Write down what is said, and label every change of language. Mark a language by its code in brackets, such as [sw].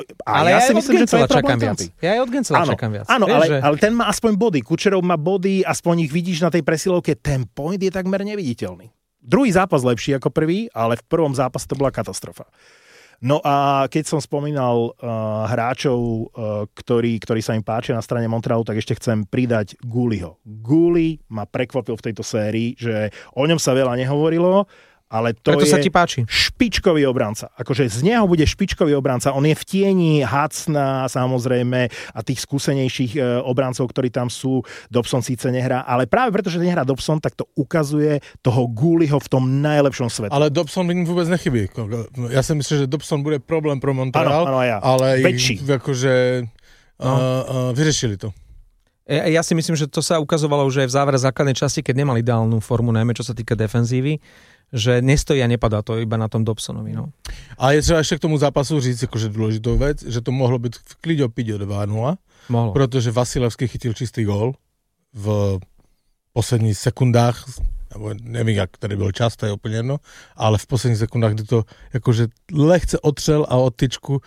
[sk] Ale ja si myslím, že to je problém Tampy. Ja aj od Gensela čakám viac. Áno, ale ten má aspoň body. Kučerov má body, aspoň ich vidíš na tej presilovke. Ten Point je takmer neviditeľný. Druhý zápas lepší ako prvý, ale v prvom zápase to bola katastrofa. No a keď som spomínal hráčov, ktorí sa im páčia na strane Montrealu, tak ešte chcem pridať Gouliho. Gouli ma prekvapil v tejto sérii, že o ňom sa veľa nehovorilo. Ale to preto sa ti páči. Špičkový obranca. Akože z neho bude špičkový obranca. On je v tieni Hacna samozrejme a tých skúsenejších obrancov, ktorí tam sú. Dobson síce nehrá, ale práve preto, že nehrá Dobson, tak to ukazuje toho Gouliho v tom najlepšom svetle. Ale Dobson mi vôbec nechybí. Ja si myslím, že Dobson bude problém pro Montreal, [cs] ano, ja. [sk] Ale väčší. Akože, vyriešili to. Ja si myslím, že to sa ukazovalo už aj v závere základnej časti, keď nemal ideálnu formu, najmä čo sa týka defenzívy. Že nestojí a nepadá to iba na tom Dobsonovi. No. A je třeba ešte k tomu zápasu říct akože dôležitou vec, že to mohlo byť v klíde opiť o 2-0, mohlo. [cs] Protože Vasilevský chytil čistý gól v posledních sekundách, nebo nevím, jak tady byl čas, to je úplně jedno, ale v posledních sekundách, kdy to jakože lehce otřel a od tyčku,